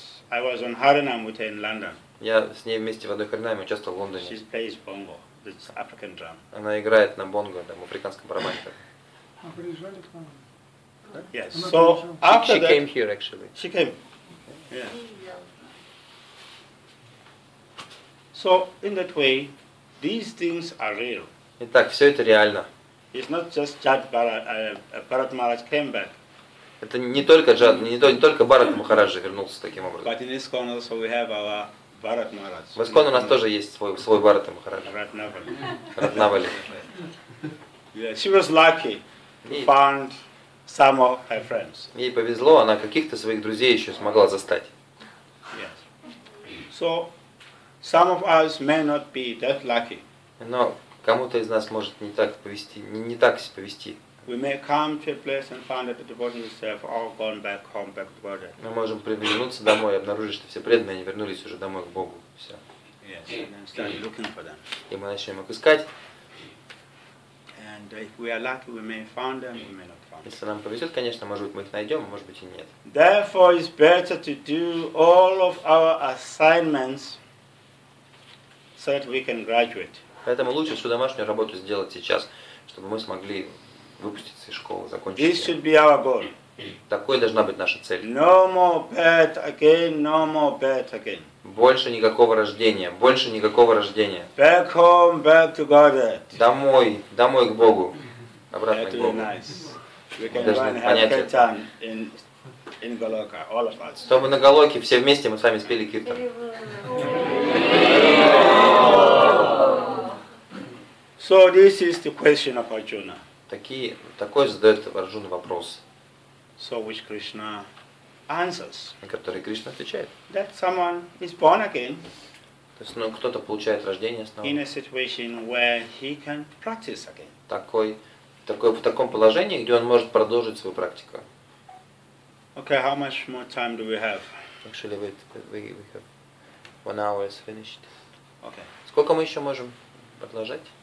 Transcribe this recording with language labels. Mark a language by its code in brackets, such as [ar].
[en] I was on Haranam with her in London. [ru] Я с ней вместе в одной Харинаме участвовал в Лондоне. [en] She plays bongo, the African drum. [ru] Она играет на бонго, там, африканском барабане. А приезжали к нам? [en] Yes. So after she came here, actually. She came. Yeah. So in that way, these things are real. [ru] Итак, все это реально. [en] It's not just Jad Bharat Maharaj came back. [ru] Это не только Джад, не только Бхарат Махарадж вернулся таким образом. [en] But in Iskon also we have our Bharat Maharaj. [ru] В Искон у нас тоже есть свой Бхарат Махарадж. [en] Ратнавали. Yeah, she was lucky. Found some of her friends. [ru] Ей повезло, она каких-то своих друзей еще смогла застать. [en] Yes. So some of us may not be that lucky. [ru] Но кому-то из нас может не так повести, не так себя повести. [en] We may come to a place and find that the devotees have all gone back home, back to God. [ru] Мы можем вернуться домой и обнаружить, что все преданные вернулись уже домой к Богу. Все. [en] Yes. And then start looking for them. [ru] И мы начнем их искать. [en] And if we are lucky, we may find them. We may not. [ru] Если нам повезет, конечно, может быть, мы их найдем, может быть, и нет. [en] Therefore, it's better to do all of our assignments so that we can graduate. [ru] Поэтому лучше всю домашнюю работу сделать сейчас, чтобы мы смогли выпуститься из школы, закончить. [en] This should be our goal. [ru] Такой должна быть наша цель. [en] No more birth again, no more birth again. [ru] Больше никакого рождения, больше никакого рождения. [en] Back home, back to Godhead. [ru] Домой, домой к Богу, обратно к Богу. [en] We can even have kirtan in Goloka, all of us. [ru] Чтобы на Голоке все вместе мы с вами спели киртан. [en] So this is the question of Arjuna. [ru] Такой задает Арджуна вопрос. [en] So which Krishna answers? [ru] На который Кришна отвечает. [en] That someone is born again. [ru] То есть, ну, кто-то получает рождение снова. [en] In a situation where he can practice again. [ru] Такой, в таком положении, где он может продолжить свою практику. [en] Okay, how much more time do we have? Actually, we have 1 hour is finished. Okay. [ru] Сколько мы еще можем продолжать?